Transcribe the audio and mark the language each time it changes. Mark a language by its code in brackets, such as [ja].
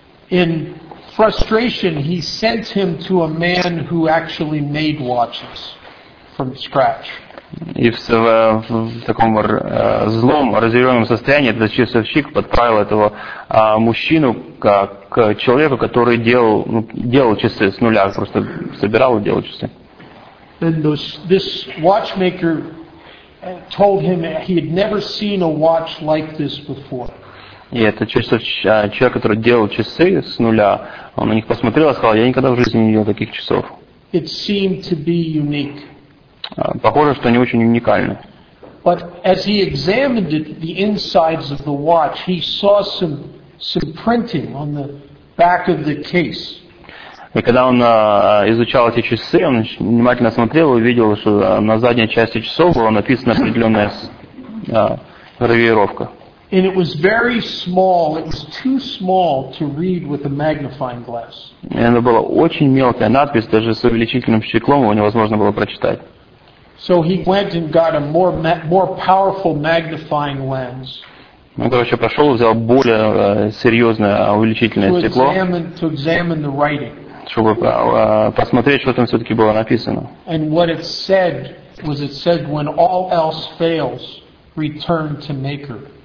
[en] In frustration, he sent him to a man who actually made watches from scratch. [ru] И в таком злом, разъяренном состоянии этот часовщик подправил этого мужчину к человеку, который делал часы с нуля, просто собирал и делал часы. [en] And this watchmaker told him he had never seen a watch like this before. [ru] И этот человек, который делал часы с нуля, он на них посмотрел и сказал, я никогда в жизни не видел таких часов. [en] It seemed to be unique. [ru] Похоже, что они очень уникальны. [en] But as he examined it, the insides of the watch, he saw some printing on the back of the case. [ru] И когда он изучал эти часы, он внимательно смотрел и увидел, что на задней части часов была написана определенная гравировка. [en] And it was very small. It was too small to read with a magnifying glass. [ru] И это была очень мелкая надпись, даже с увеличительным стеклом его невозможно было прочитать. [en] So he went and got a more powerful magnifying lens. [ru] Он, короче, пошел и взял более серьезное увеличительное стекло, [en] to examine the writing. [ru] Чтобы посмотреть, что там все-таки было написано. [en] And what it said was it said, when all else fails, return to maker.